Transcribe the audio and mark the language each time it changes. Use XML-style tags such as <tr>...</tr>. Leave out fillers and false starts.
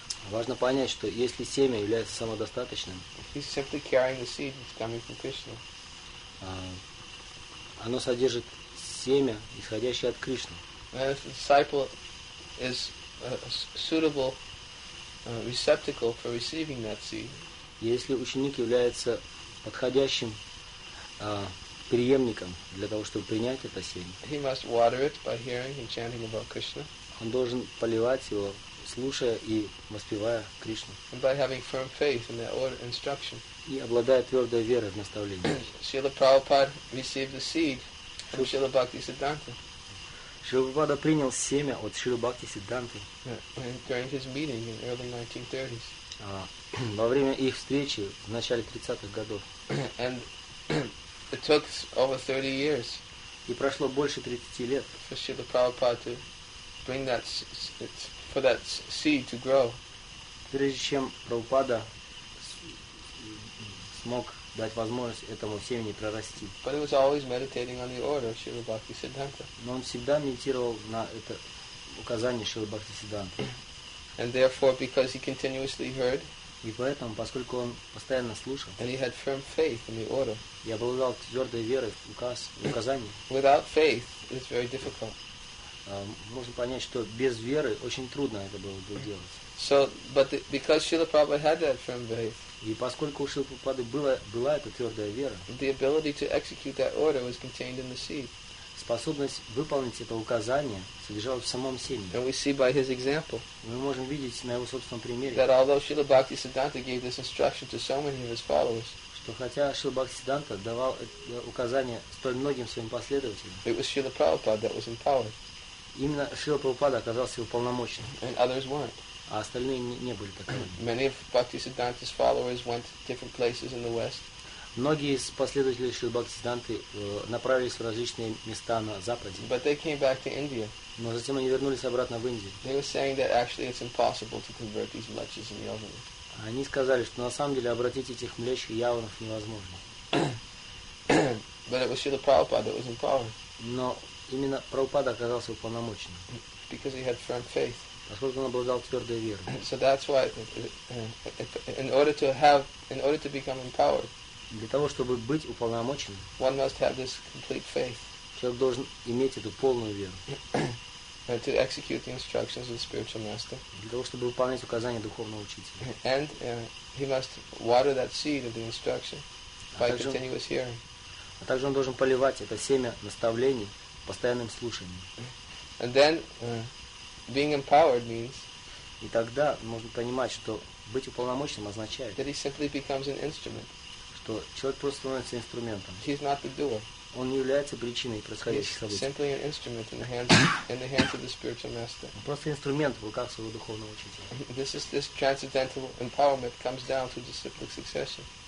<ru>Важно понять, что если семя является самодостаточным,</ru> <en>he's simply carrying the seed that's coming from Krishna.</en> <ru>Оно содержит семя, исходящее от Кришны.</ru> <en>And if the disciple is suitable receptacle for receiving that seed.</en> <ru>Если ученик является подходящим преемником для того, чтобы принять это семя.</ru> <en>He must water it by hearing and chanting about Krishna.</en> <ru>Он должен поливать его, слушая и воспевая Кришну.</ru> <en>And by having firm faith in the order instruction.</en> <ru>И обладая твердой верой в наставление.</ru> <en>Srila Prabhupada received the seed from Srila Bhaktisiddhanta.</en> <ru>Srila Prabhupada принял семя от Srila Bhaktisiddhanta.</ru> <en>During his meeting in early 1930s.</en> <ru>Во время их встречи в начале 30-х годов.</ru> <en>And it took over 30 years.</en> <ru>И прошло больше 30 лет.</ru> <en>For Srila Prabhupada to bring that for that seed to grow.</en> <ru>Прежде чем Прабхупада смог дать возможность этому семени прорасти.</ru> <en>But he was always meditating on the order of Srila Bhaktisiddhanta.</en> <ru>Но он всегда медитировал на это указание Шрилы Бхактисиддханты.</ru> <en>And therefore, because he continuously heard,</en> <ru>и поэтому, поскольку он постоянно слушал,</ru> <en>and he had firm faith in the order,</en> <ru>и обладал твердой верой в указ, в указание,</ru> <en>without faith, it's very difficult.</en> <ru>Можно понять, что без веры очень трудно это было бы делать.</ru> <en>So, but the, because Srila Prabhupada had that firm faith,</en> <ru>и поскольку у Шрилы Прабхупады была эта твердая вера,</ru> <en>the ability to execute that order was contained in the seed.</en> <ru>Способность выполнить это указание содержалась в самом семени.</ru> <en>And we see by his example,</en> <ru>мы можем видеть на его собственном примере,</ru> <en>that although Srila Bhaktisiddhanta gave this instruction to so many of his followers,</en> <ru>что хотя Шрила Бхактисиддханта давал указания столь многим своим последователям,</ru> <en>it was Srila Prabhupada that was empowered.</en> <ru>Именно Шрила Прабхупада оказался уполномоченным.</ru> <en>And others weren't.</en> <ru>А остальные не были такими.</ru> <en>Many of Bhaktisiddhanta's followers went to different places in the West.</en> <ru>Многие из последователей Шрилы Бхактисиддханты направились в различные места на Западе.</ru> <en>But they came back to India.</en> <ru>Но затем они вернулись обратно в Индию.</ru> <en>They were saying that actually it's impossible to convert these mlechas and yavanas.</en> <ru>Они сказали, что на самом деле обратить этих млеч и яванов невозможно.</ru> <en>But it was Srila Prabhupada that was empowered.</en> <ru>Но именно Прабхупада оказался уполномоченным.</ru> <en>Because he had firm faith.</en> <ru>Поскольку он обладал твердой верой.</ru> <en>So that's why, in order to become empowered,</en> <ru>для того, чтобы быть уполномоченным,</ru> <en>one must have this complete faith.</en> <ru>Человек должен иметь эту полную веру.</ru> <en>And to execute the instructions of the spiritual master.</en> <ru>Для того, чтобы выполнять указания духовного учителя.</ru> <en>And he must water that seed of the instruction by continuous hearing.</en> <ru>А также он должен поливать это семя наставлений постоянным слушанием.</ru> <en>And then being empowered means.</en> <ru>И тогда можно понимать, что быть уполномоченным означает,</ru> <en>that he simply becomes an instrument.</en> <ru>Что человек просто становится инструментом.</ru> <en>He's not the doer.</en> <ru>Он не является причиной происходящих</ru> <en>He's</en> <ru>событий.</ru> <en>Simply an instrument in the hands of the spiritual master.</en> <ru>Он просто инструмент в руках своего духовного учителя.</ru> <en>This transcendental empowerment comes down through the cyclic succession.</en>